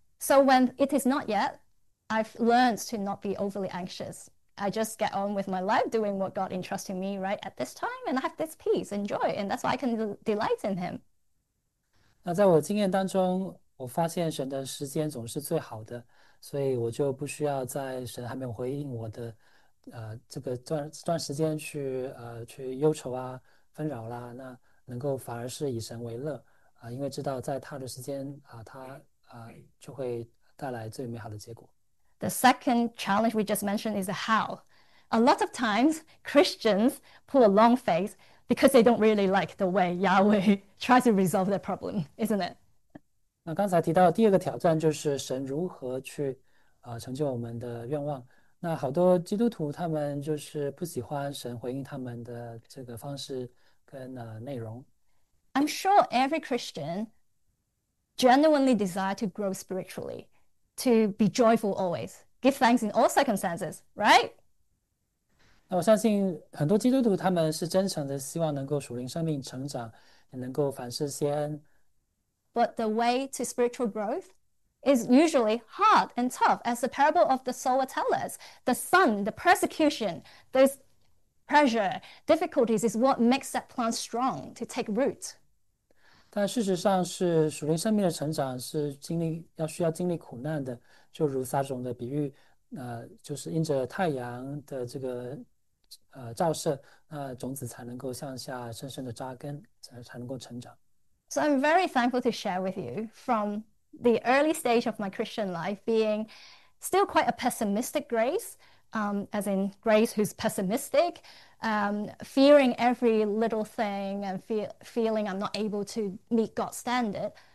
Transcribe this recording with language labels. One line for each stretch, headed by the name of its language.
English: So when it is not yet, I've learned to not be overly anxious. I just get on with my life doing what God entrusted me right at this time and I have this peace and joy and that's why I can delight in Him.
Chinese: 那在我的经验当中，我发现神的时间总是最好的，所以我就不需要在神还没有回应我的，这个这段时间去忧愁啊、纷扰啦、啊，那能够反而是以神为乐因为知道在他的时间他就会带来最美好的结果。
English: The second challenge we just mentioned is the how. A lot of times, Christians pull a long face because they don't really like the way Yahweh tries to resolve their problem, isn't it?
Chinese: 那刚才提到的第二个挑战就是神如何去成就我们的愿望。那好多基督徒他们就是不喜欢神回应他们的这个方式跟内容。
English: I'm sure every Christian genuinely desire to grow spiritually, to be joyful always, give thanks in all circumstances, right?
Chinese: 那我相信很多基督徒他们是真诚的，希望能够属灵生命成长，也能够凡事先。
English: But the way to spiritual growth is usually hard and tough, as the parable of the sower tells us. The sun, the persecution, those pressure, difficulties is what makes that plant strong to take root.
Chinese: 但事实上，是属灵生命的成长是经历要需要经历苦难的，就如撒种的比喻，就是因着太阳的这个照射，那种子才能够向下深深的扎根，才能够成长。
English: So I'm very thankful to share with you from the early stage of my Christian life, being still quite a pessimistic Grace, as in Grace who's pessimistic, fearing every little thing and feeling I'm not able to meet God's standard.